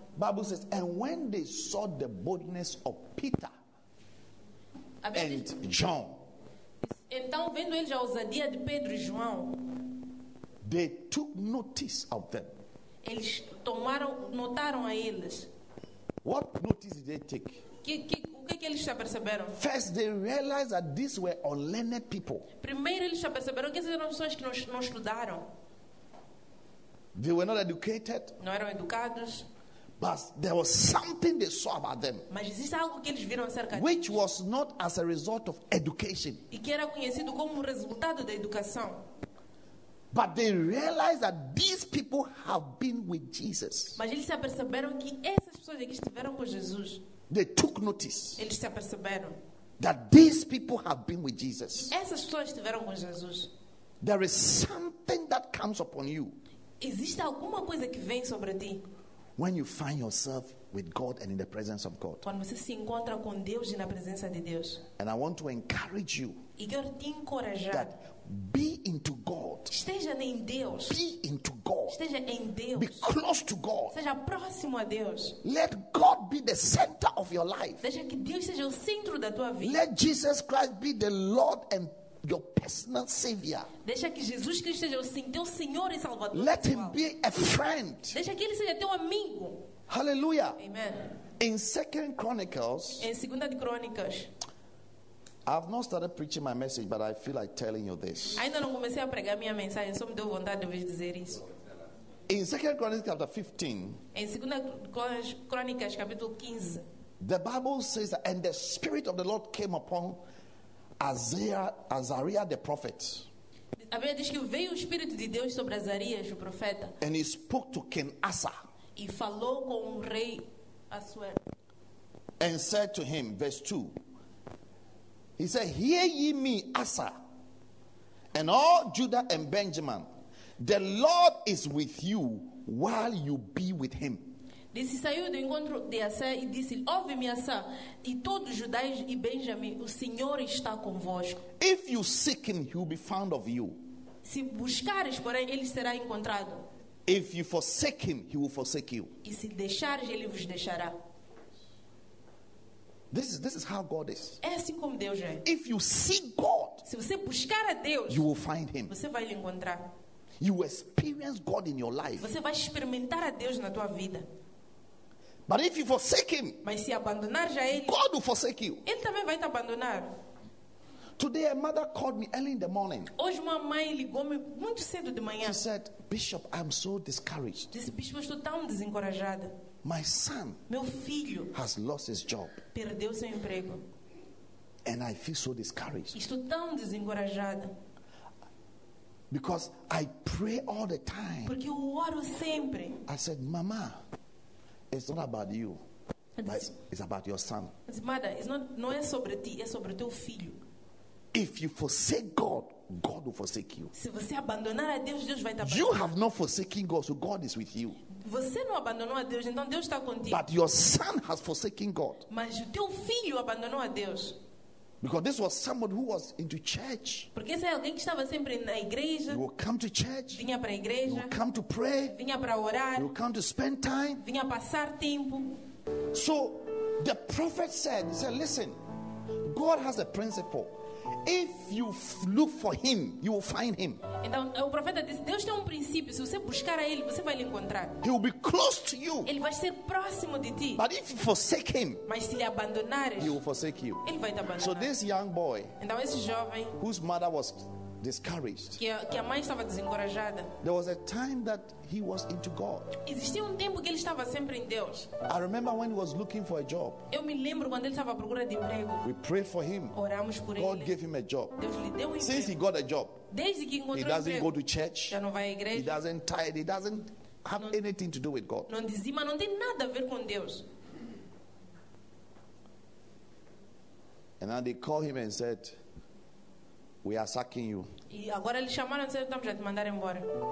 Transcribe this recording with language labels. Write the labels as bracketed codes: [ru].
[en] Bible says, "And when they saw the boldness of Peter and John." [pt] Então, vendo eles a ousadia de Pedro e João, [en] they took notice of them. [pt] Eles tomaram, notaram a eles. [en] What notice did they take? [pt] O que eles já perceberam? [en] First, they realized that these were unlearned people. [pt] Primeiro, eles já perceberam que essas eram pessoas que não estudaram. [en] They were not educated. [pt] Não eram educados. [en] But there was something they saw about them. [pt] Mas existe algo que eles viram acerca deles. [en] Which was not as a result of education. [pt] E que era conhecido como resultado da educação. [en] But they realized that these people have been with Jesus. [pt] Mas eles se aperceberam que essas pessoas aqui estiveram com Jesus. [en] They took notice. [pt] Eles se aperceberam. [en] That these people have been with Jesus. [pt] Essas pessoas estiveram com Jesus. [en] There is something that comes upon you. [pt] Existe alguma coisa que vem sobre ti. [en] When you find yourself with God and in the presence of God. [pt] Quando você se encontra com Deus e na presença de Deus. [en] And I want to encourage you. [pt] E quero te encorajar. [en] That be into God. [pt] Esteja em Deus. [en] Be into God. [pt] Esteja em Deus. [en] Be close to God. [pt] Seja próximo a Deus. [en] Let God be the center of your life. [pt] Deixa que Deus seja o centro da tua vida. [en] Let Jesus Christ be the Lord and your personal savior. [pt] Deixa que Jesus Cristo seja o teu Senhor e Salvador. [en] Let him be a friend. [pt] Deixa que ele seja teu amigo. [en] Hallelujah. [pt] Amen. [en] In 2 Chronicles. [pt] Em 2 de Crônicas. [en] I've not started preaching my message, but I feel like telling you this. [pt] Ainda não comecei a pregar minha mensagem, só me deu vontade de vos dizer isso. [en] In 2 Chronicles chapter 15. [pt] Em 2 Crônicas capítulo 15. [en] The Bible says, "And the Spirit of the Lord came upon Azariah the prophet. [pt] A Bíblia diz que veio o Espírito de Deus sobre Azarias, o profeta. [en] And he spoke to King Asa. [pt] E falou com o rei Assuero. [en] And said to him, verse 2. He said, hear ye me, Asa, and all Judah and Benjamin. The Lord is with you while you be with him. [pt] Disse, saiu do encontro de Asa e disse, ouve-me, Asa, e todos Judá e Benjamim, o Senhor está convosco. [en] If you seek him, he will be found of you. [pt] Se buscares, porém, ele será encontrado. [en] If you forsake him, he will forsake you. [pt] E se deixares, ele vos deixará. [en] This is how God is. [pt] É assim como Deus é. [en] If you seek God, [pt] se você buscar a Deus, [en] you will find him. [pt] Você vai lhe encontrar. [en] You experience God in your life. [pt] Você vai experimentar a Deus na tua vida. [en] But if you forsake him, [pt] mas se abandonar já ele, [en] God will forsake you. [pt] Ele também vai te abandonar. [en] Today a mother called me early in the morning. [pt] Hoje uma mãe ligou-me muito cedo de manhã. [en] She said, Bishop, I'm so discouraged. [pt] Disse, Bispo, estou tão desencorajada. [en] My son, [pt] meu filho, [en] has lost his job. [pt] Perdeu seu emprego. [en] And I feel so discouraged. [pt] Estou tão desencorajada. [en] Because I pray all the time. [pt] Porque eu oro sempre. [en] I said, Mama, it's not about you. But it's about your son. [pt] Mother, não é sobre ti, é sobre teu filho. [en] If you forsake God, God will forsake you. [pt] Se você abandonar a Deus, Deus vai te abandonar. [en] You have not forsaken God, so God is with you. [pt] Você não abandonou a Deus, então Deus está contigo. [en] But your son has forsaken God. [pt] Mas o teu filho abandonou a Deus. [en] Because this was someone who was into church. [pt] Porque esse é alguém que estava sempre na igreja. [en] He would come to church. [pt] Vinha para a igreja. [en] He would come to pray. [pt] Vinha para orar. [en] He would come to spend time. [pt] Vinha passar tempo. [en] So the prophet said, he said, listen, God has a principle. If you look for him, you will find him. [pt] Então, o profeta disse, Deus tem princípio. Se você buscar a ele, você vai lhe encontrar. [en] He will be close to you. [pt] Ele vai ser próximo de ti. [en] But if you forsake him, [pt] mas se lhe abandonares, [en] he will forsake you. [pt] Ele vai te abandonar. [en] So this young boy, [pt] então esse jovem, [en] whose mother was discouraged, [pt] que a mãe estava desencorajada, [en] there was a time that he was into God. [pt] Existia tempo que ele estava sempre em Deus. [en] I remember when he was looking for a job. [pt] Eu me lembro quando ele estava à procura de emprego. [en] We prayed for him. [pt] Oramos por [en] God [pt] ele. [en] Gave him a job. [pt] Deus lhe deu emprego. [en] Since he got a job, [pt] desde que encontrou [en] he doesn't [pt] emprego, [en] go to church. [pt] Já não vai à igreja. [en] He doesn't tithe. He doesn't have [pt] não, [en] anything to do with God. [pt] Não dizima, não tem nada a ver com Deus. [en] And then they called him and said, we are sacking you. [pt] E agora eles chamaram e disseram, já te mandar embora.